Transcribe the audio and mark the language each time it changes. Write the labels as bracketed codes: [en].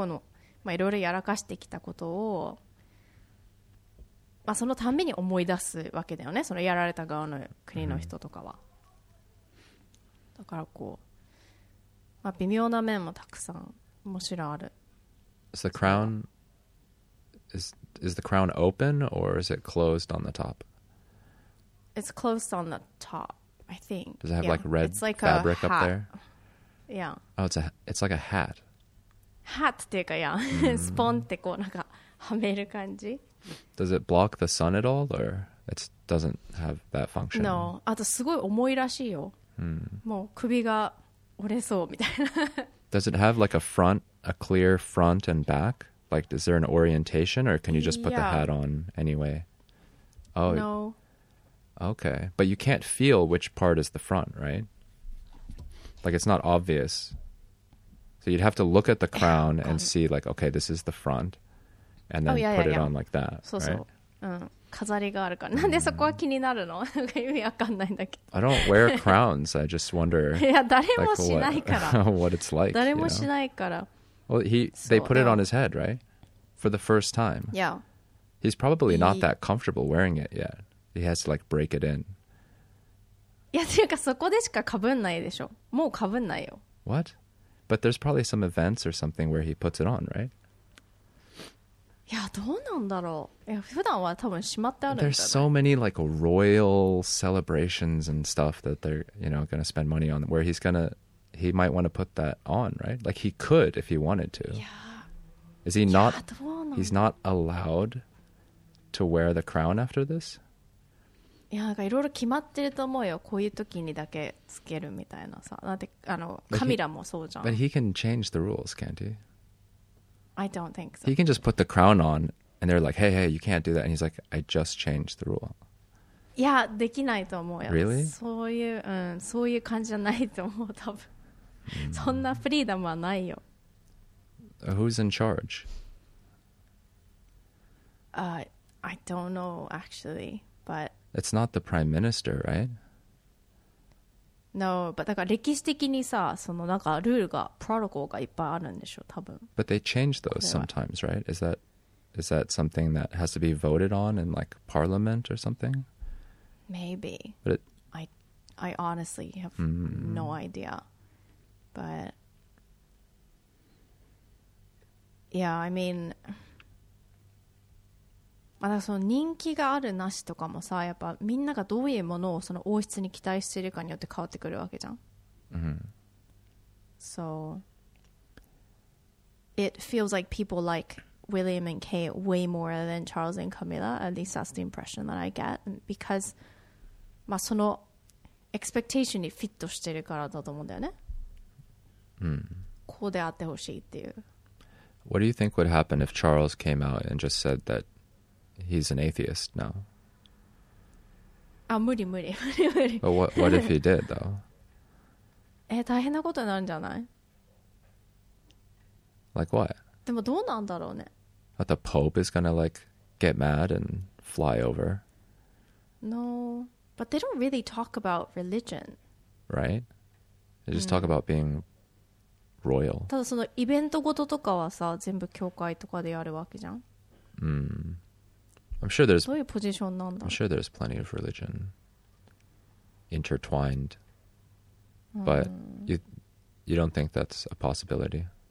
[ja] まあ、あとね、イギリスはね、やっぱ帝国エンパイアだったから、その人の国からさ盗んできた巨大なダイヤとかがついてたりとかして、またそれはそれでさ、問題なわけじゃん。その返せやみたいな話もあるし、ね、その昔、その過去のまあいろいろやらかしてきたことを。まあ、そのたんびに思い出すわけだよね、そのやられた側の国の人とかは。だからこう、まあ微妙な面もたくさんもちろんある。 [en] Is the crown is the crown open or is it closed on the top? It's closed on the top, I think. Does it have like red like fabric up there? Yeah. Oh, it's like a hat. [ja] Hat っていうか、スポンってこうなんかはめる感じ。 [en] does it block the sun at all, or it doesn't have that function? No. [ja] あとすごい重いらしいよ。もう首が折れそうみたいな。 [en] Does it have like a front, a clear front and back? Like, is there an orientation, or can you just put the hat on anyway? Oh, no. Okay. But you can't feel which part is the front, right? Like, it's not obvious. So you'd have to look at the crown and see, like, okay, this is the front. And then put it on like that, so, right? So. [ja] 飾りがあるから。なんでそこは気になるの?意味わかんないんだけど。 [en] I don't wear crowns. I just wonder. [ja] いや、誰もしないから。 [en] What it's like. [ja] 誰もしないから。 [en] Well, they put it on his head, right? For the first time. Yeah. He's probably not that comfortable wearing it yet. He has to, like, break it in. [ja] いや、というかそこでしかかぶんないでしょ。もうかぶんないよ。 [en] What? But there's probably some events or something where he puts it on, right? [ja] いや、どうなんだろう。いや、普段は多分しまってあるんだね。 [en] There's so many, like, royal celebrations and stuff that they're, you know, going to spend money on, where he might want to put that on, right? Like, he could if he wanted to. Yeah. Is he not... He's not allowed to wear the crown after this? [ja] いや、なんかいろいろ決まってると思うよ。こういう時にだけつけるみたいなさ。だって、あの、カミラもそうじゃん。 [en] But he can change the rules, can't he? I don't think so. He can just put the crown on, and they're like, hey, you can't do that. And he's like, I just changed the rule. [ja] いや、できないと思うよ。 [en] Really? [ja] そういう、うん、そういう感じじゃないと思う、多分。そんなフリーダムはないよ。 [en] Who's in charge? I don't know, actually, but... It's not the prime minister, right? No, but [ja] だから歴史的にさ、そのなんかルールが、プロトコルがいっぱいあるんでしょ、多分。 [en] But they change those sometimes, right? Is that something that has to be voted on in, like, parliament or something? Maybe. But it... I honestly have no idea. But... Yeah, I mean... [ja] まあ、だからその人気があるなしとかもさ、やっぱみんながどういうものをその王室に期待してるかによって変わってくるわけじゃん。 Mm-hmm. [en] So it feels like people like William and Kate way more than Charles and Camilla. At least that's the impression that I get. Because [ja] まあそのexpectationにフィットしてるからだと思うんだよね。 Mm-hmm. こうであってほしいっていう。 [en] What do you think would happen if Charles came out and just said that? He's an atheist now. [ja] Ah, 無理無理無理無理 [en] But what if he did, though? [ja] 大変なことになるんじゃない? [en] Like what? [ja] でもどうなんだろうね? [en] But the Pope is gonna, like, get mad and fly over. No, but they don't really talk about religion. Right? They just talk about being royal. [ja] ただそのイベントごととかはさ、全部教会とかでやるわけじゃん? [en] I'm sure there's plenty of religion intertwined, but you don't think that's a possibility?